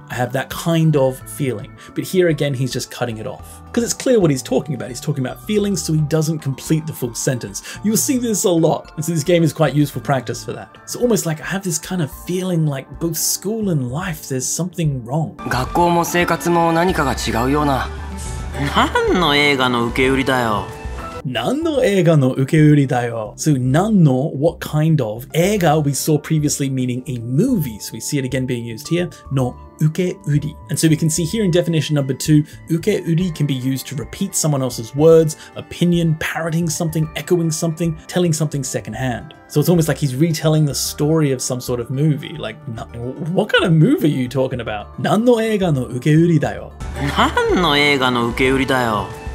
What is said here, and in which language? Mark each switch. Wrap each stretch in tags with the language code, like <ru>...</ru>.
<en>I have that kind of feeling. But here again, he's just cutting it off. Because it's clear what he's talking about. He's talking about feelings, so he doesn't complete the full sentence. You'll see this a lot. And so this game is quite useful practice for that. It's almost like I have this kind of feeling like both school and life, there's something wrong.</en> <ja>学校も生活も何かが違うような。何の映画の受け売りだよ?</ja> <en>So 何の, what kind of, 映画 we saw previously meaning a movie, so we see it again being used here,</en> <ja>の受け売り.</ja> <en>And so we can see here in definition number 2, 受け売り can be used to repeat someone else's words, opinion, parroting something, echoing something, telling something secondhand. So it's almost like he's retelling the story of some sort of movie. Like, what kind of movie are you talking about?</en> <ja>何の映画の受け売りだよ? 何の映画の受け売りだよ?</ja>